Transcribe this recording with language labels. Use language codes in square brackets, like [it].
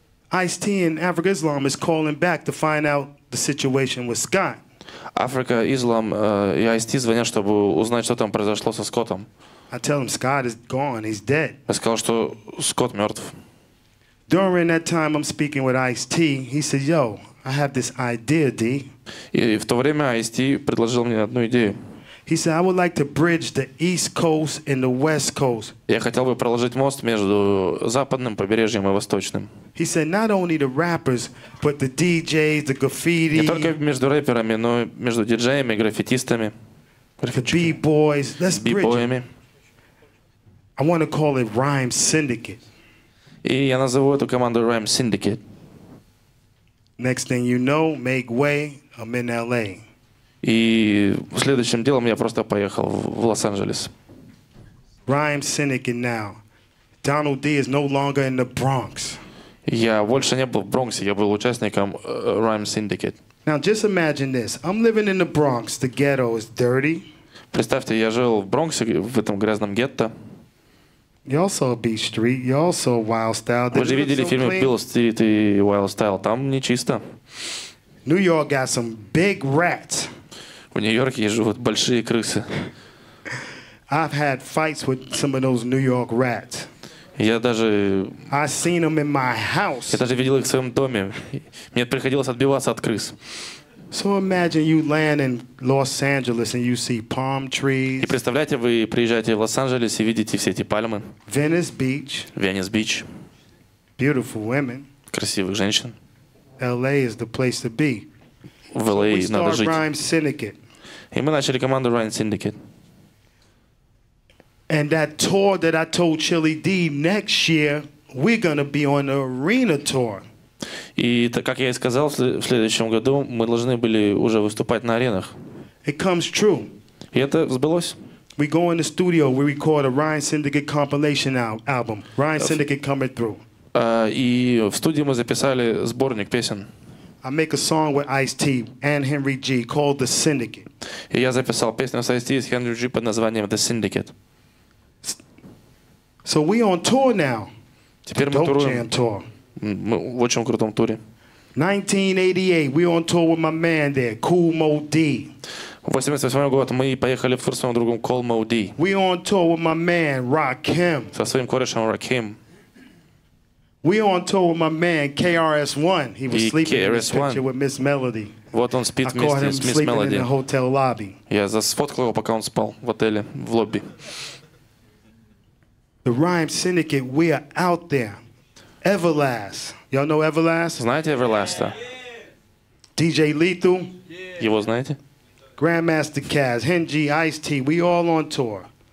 [en] Ice-T and Africa Islam is calling back to find out the situation with Scott. [ru] Africa Islam и Ice-T звонят, чтобы узнать, что там произошло со Скоттом. [en] I tell him Scott is gone, he's dead. [ru] Я сказал, что Скотт мертв. [en] During that time I'm speaking with Ice-T, he said, yo, I have this idea, D. [ru] И в то время Ice-T предложил мне одну идею. [en] He said, I would like to bridge the East Coast and the West Coast. [ru] Я хотел бы проложить мост между западным побережьем и восточным. [en] He said, not only the rappers, but the DJs, the graffiti. [ru] Не только между рэперами, но и между диджеями, граффитистами. [en] The B-boys. Let's bridge it. I want to call it Rhyme Syndicate. [ru] И я назову эту команду Rhyme Syndicate. [en] Next thing you know, make way, I'm in L.A. [ru] И следующим делом я просто поехал в Лос-Анджелес. [en] Rhyme Syndicate now. Donald D is no longer in the Bronx. [ru] Я больше не был в Бронксе, я был участником Rhyme Syndicate. [en] Now just imagine this. I'm living in the Bronx. The ghetto is dirty. [ru] Представьте, я жил в Бронксе, в этом грязном гетто. [en] You also saw Beach Street, you also saw Wild Style. [ru] Вы же видели фильмы Bill Street и Wild Style. Там нечисто. [en] New York got some big rats. [ru] В Нью-Йорке живут большие крысы. [en] I've had fights with some of those New York rats. I seen them in my house. [ru] Я даже видел их в своем доме. Мне приходилось отбиваться от крыс. [en] So imagine you land in Los Angeles and you see palm trees. [ru] И представляете, вы приезжаете в Лос-Анджелес и видите все эти пальмы. [en] Venice Beach. Venice Beach. Beautiful women. [ru] Красивых женщин. [en] LA is the place to be. [ru] В LA надо жить. [en] Rhyme Syndicate. [ru] И мы начали команду Rhyme Syndicate. [en] And that tour that I told Chili D next year, we're gonna be on the arena tour. [ru] И так как я и сказал, в следующем году мы должны были уже выступать на аренах. [en] It comes true. [ru] И это сбылось. [en] We go in the studio, we record a Rhyme Syndicate compilation album. Rhyme Syndicate coming through. [ru] И в студии мы записали сборник песен. [en] I make a song with Ice-T and Henry G called The Syndicate. [ru] И я записал песню с Ice-T и Henry G под названием The Syndicate. [en] So we on tour now. [ru] Теперь мы туруем. Мы в очень крутом туре. [en] 1988, we on tour with my man there, Cool Mo D. [ru] В 88 году мы поехали в тур с моим другом Cool Mo D. [en] We on tour with my man Rakim. [ru] Со своим корешем Rakim. [en] We on tour with my man KRS-One. He was sleeping in this picture with Miss Melody. [ru] Вот он спит вместе с Miss Melody. [en] I caught him sleeping in the hotel lobby. [ru] Я зафоткал его, пока он спал в отеле, в лобби. [en] The Rhyme Syndicate, we are out there. Everlast. Y'all know Everlast? [ru] Знаете Everlast? Yeah. [en] DJ Lethal. [ru] Yeah. Его знаете? [en] Grandmaster Caz, Henji, Ice-T, we all on tour.